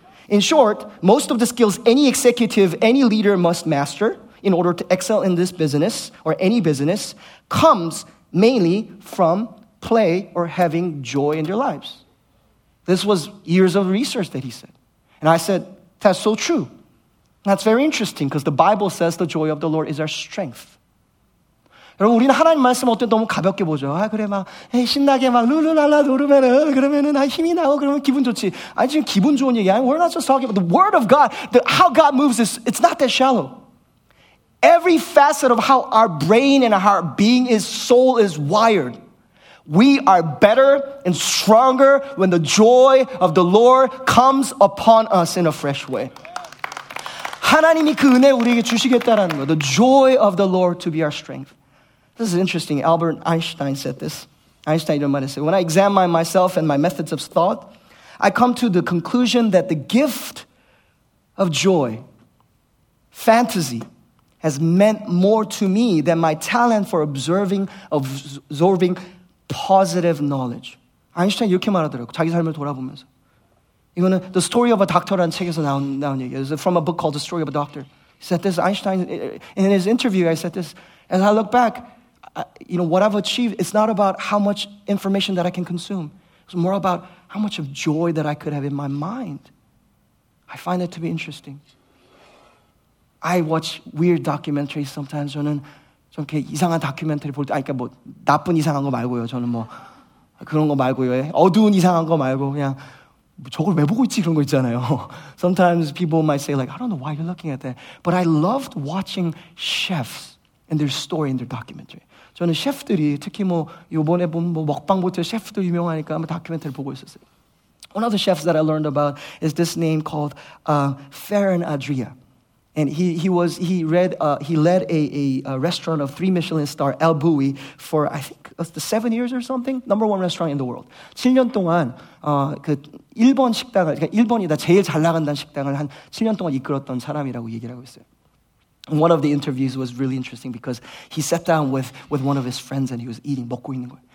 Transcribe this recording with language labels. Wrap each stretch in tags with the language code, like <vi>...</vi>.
<en>In short, most of the skills any executive, any leader must master in order to excel in this business or any business comes mainly from play or having joy in their lives. This was years of research that he said. And I said, that's so true. That's very interesting because the Bible says the joy of the Lord is our strength.</en> <ko>여러분, 우리는 하나님 말씀 어때 너무 가볍게 보죠. 아, 그래, 막, 신나게 막, 룰루랄라 누르면은, 그러면은, 아, 힘이 나고, 그러면 기분 좋지. 아니, 지금 기분 좋은 얘기야.</ko> <en>We're not just talking about the word of God, how God moves is, it's not that shallow. Every facet of how our brain and our being is, soul is wired. We are better and stronger when the joy of the Lord comes upon us in a fresh way.</en> <ko>하나님이 그 은혜 우리에게 주시겠다라는 거.</ko> <en>The joy of the Lord to be our strength. This is interesting. Albert Einstein said this. Einstein</en> <ko>이런 말을 했어요.</ko> <en>When I examine myself and my methods of thought, I come to the conclusion that the gift of joy, fantasy, has meant more to me than my talent for absorbing positive knowledge.</en> <ko>아인슈타인 이렇게 말하더라고요. 자기 삶을 돌아보면서. 이거는 The Story of a Doctor라는 책에서 나온 얘기예요.</ko> <en>It's from a book called The Story of a Doctor. He said this, Einstein, in his interview, I said this, as I look back, you know, what I've achieved, it's not about how much information that I can consume. It's more about how much of joy that I could have in my mind. I find that to be interesting. I watch weird documentaries sometimes.</en> <ko>저는 좀 이렇게 이상한 다큐멘터리 볼 때, 아, 그러니까 뭐 나쁜 이상한 거 말고요. 저는 뭐 그런 거 말고요. 어두운 이상한 거 말고 그냥 저걸 왜 보고 있지 그런 거 있잖아요.</ko> <en>Sometimes people might say like, I don't know why you're looking at that. But I loved watching chefs and their story in their documentary.</en> <ko>저는 셰프들이 특히 뭐 이번에 본 뭐 먹방부터 셰프도 유명하니까 한번 다큐멘터리 보고 있었어요.</ko> <en>One of the chefs that I learned about is this name called Ferran Adrià. And he led a restaurant of three Michelin star El Bulli for I think it was the 7 years or something, number one restaurant in the world.</en> <ko>7년 동안 그 일본 식당을 그러니까 일본이다 제일 잘 나간다는 식당을 한 7년 동안 이끌었던 사람이라고 얘기를 하고 있어요.</ko> <en>One of the interviews was really interesting because he sat down with one of his friends and he was eating</en> <ko>먹고 있는 거예요.</ko>